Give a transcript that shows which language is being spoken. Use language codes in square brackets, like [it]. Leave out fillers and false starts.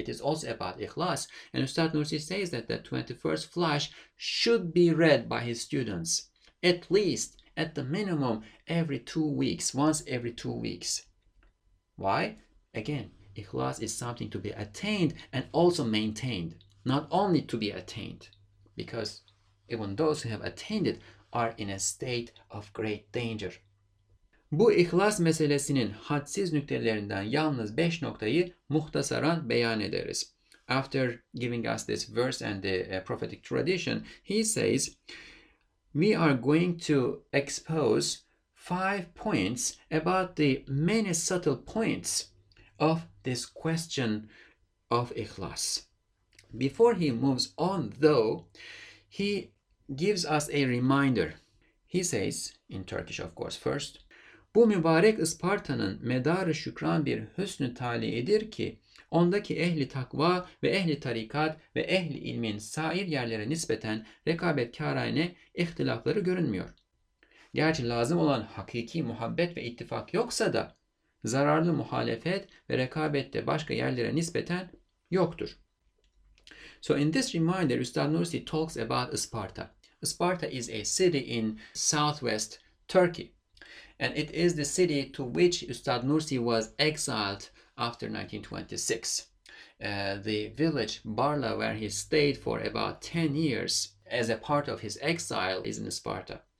[en] It is also about ikhlas, and Ustad Nursi says that the 21st flash should be read by his students at least, at the minimum, once every two weeks. Why? Again, ikhlas is something to be attained and also maintained, not only to be attained, because even those who have attained it are in a state of great danger. [tr] Bu ihlas meselesinin hadsiz nüktelerinden yalnız 5 noktayı muhtasaran beyan ederiz. [en] After giving us this verse and the prophetic tradition, he says, we are going to expose 5 points about the many subtle points of this question of ihlas. Before he moves on, though, he gives us a reminder. He says, in Turkish, of course, first, [tr] bu mübarek Isparta'nın medarı şükran bir hüsnü talihidir ki, ondaki ehli takva ve ehli tarikat ve ehli ilmin sair yerlere nispeten rekabetkârâine ihtilafları görünmüyor. Gerçi lazım olan hakiki muhabbet ve ittifak yoksa da zararlı muhalefet ve rekabet de başka yerlere nispeten yoktur. [en] So in this reminder, Üstad Nursi talks about Isparta. Isparta is a city in southwest Turkey. And it is the city to which Üstad Nursi was exiled after 1926. The village Barla, where he stayed for about 10 years as a part of his exile, is in Sparta.